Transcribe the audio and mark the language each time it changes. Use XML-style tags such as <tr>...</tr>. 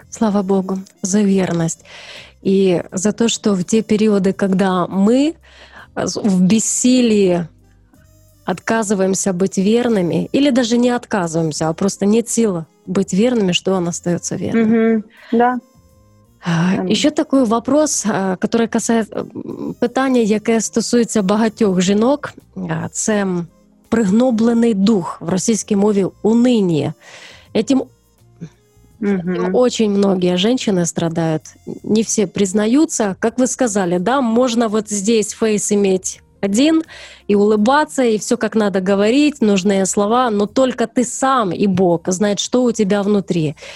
<ru>Слава Богу за верность. И за то, что в те периоды, когда мы в бессилии отказываемся быть верными, или даже не отказываемся, а просто нет силы быть верными, что он остается верным. Mm-hmm. Да.</ru> <uk>Ще такий</uk> <ru>вопрос, который</ru> <uk>касається питання, яке стосується багатьох жінок, це пригноблений дух в російській мові уныние.</uk> <ru>Этим очень многие женщины страдают, не все признаются. Как вы сказали, да, можно вот здесь фейс иметь один и улыбаться, и все как надо говорить, нужные слова, но только ты сам и Бог знает, что у тебя внутри.</ru>